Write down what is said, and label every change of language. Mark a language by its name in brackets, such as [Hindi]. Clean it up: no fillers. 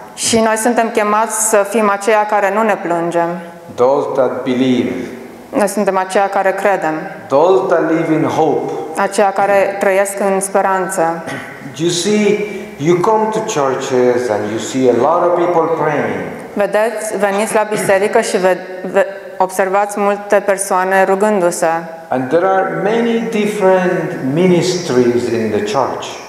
[Romanian] Și noi suntem chemați să fim aceia care nu ne plângem. [English] Those that believe. [Romanian] Noi suntem aceia care credem. [English] Those that live in hope. [Romanian] Aceia care trăiesc în speranță. [English] You see, you come to churches and you see a lot of people praying. [Romanian] Vedeți, veniți la biserică și observați multe persoane rugându-se. [English] And there are many different ministries in the church.